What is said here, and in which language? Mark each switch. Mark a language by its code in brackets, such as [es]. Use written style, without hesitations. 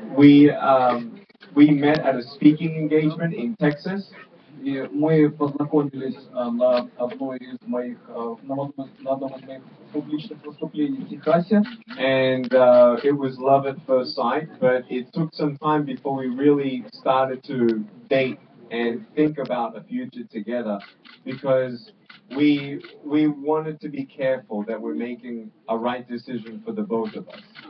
[en] And we met at a speaking engagement in Texas. [ru] И мы познакомились на одной из моих на одном из моих публичных выступлений в Техасе. [en] And it was love at first sight, but it took some time before we really started to date and think about a future together, because we wanted to be careful that we're making a right decision for the both of us.